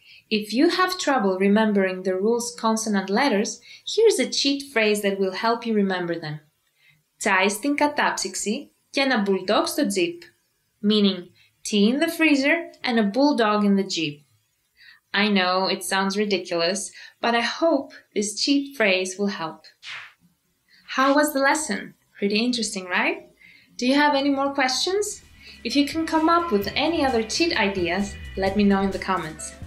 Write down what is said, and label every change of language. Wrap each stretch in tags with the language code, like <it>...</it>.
<en>If you have trouble remembering the rules consonant letters, here's a cheat phrase that will help you remember them.</en> <el>Τσάι στην κατάψυξη και ένα μπουλντόγκ στο τζιπ.</el> <en>Meaning, tea in the freezer and a bulldog in the jeep. I know it sounds ridiculous, but I hope this cheap phrase will help. How was the lesson? Pretty interesting, right? Do you have any more questions? If you can come up with any other cheat ideas, let me know in the comments.</en>